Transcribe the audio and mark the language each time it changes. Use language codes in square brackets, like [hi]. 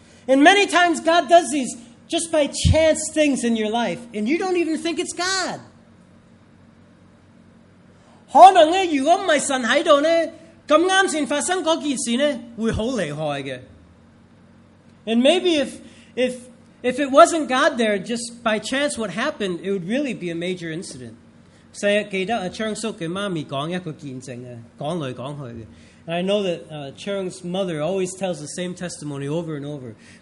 [en] And many times God does these just by chance things in your life, and you don't even think it's God. [zh] 可能如果不是神在這裡,這麼適合發生那件事,會很厲害的。 [en] And maybe if it wasn't God there, just by chance what happened, it would really be a major incident. [zh] 我記得Cheung叔的媽媽說一個見證,說來說去的。 [en] And I know that Cheung's mother always tells the same testimony over and over.